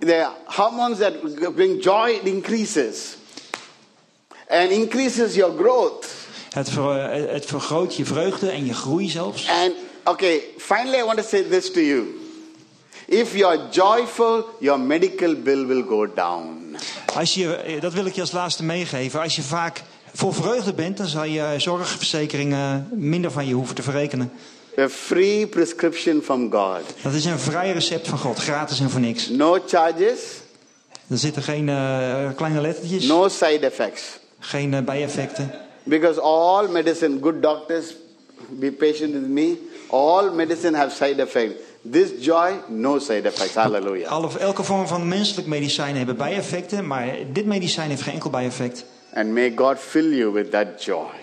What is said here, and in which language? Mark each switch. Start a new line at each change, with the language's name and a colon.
English: The hormones that bring joy increases and increases your growth.
Dutch: Het vergroot je vreugde en je groei zelfs.
English: And okay, finally I want to say this to you. If you are joyful, your medical bill will go down.
Dutch: Dat wil ik je als laatste meegeven. Als je vaak vol vreugde bent, dan zal je zorgverzekering minder van je hoeven te verrekenen.
English: A free prescription from God.
Dutch: Dat is een vrij recept van God, gratis en voor niks.
English: No charges.
Dutch: Er zitten geen kleine lettertjes.
English: No side effects.
Dutch: Geen bijeffecten.
English: Because all medicine, good doctors, be patient with me. All medicine have side effects. This joy, no side effects. Hallelujah.
Dutch: Elke vorm van menselijk medicijn hebben bijeffecten, maar dit medicijn heeft geen enkel bijeffect.
English: And may God fill you with that joy.